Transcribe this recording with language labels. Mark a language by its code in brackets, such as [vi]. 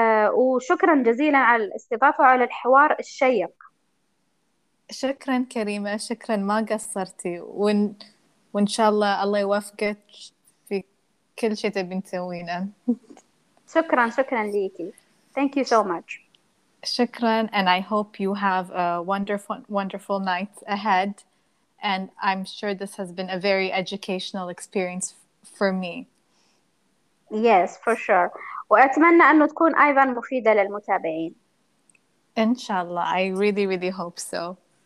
[ar] وشكرا جزيلا على الاستضافة وعلى الحوار الشيق. شكرا كريمة، شكرا، ما قصرتي، وإن شاء الله الله يوفقك في كل شيء تبين تسوينه. شكرا شكرا ليكي. [en] Thank you so much. [ar] شكرا، [en] and I hope you have a wonderful wonderful night ahead, and I'm sure this has been a very educational experience for me. Yes, for sure. [ar] وأتمنى أن تكون أيضا مفيدة للمتابعين. إن شاء الله، [en] I really really hope so.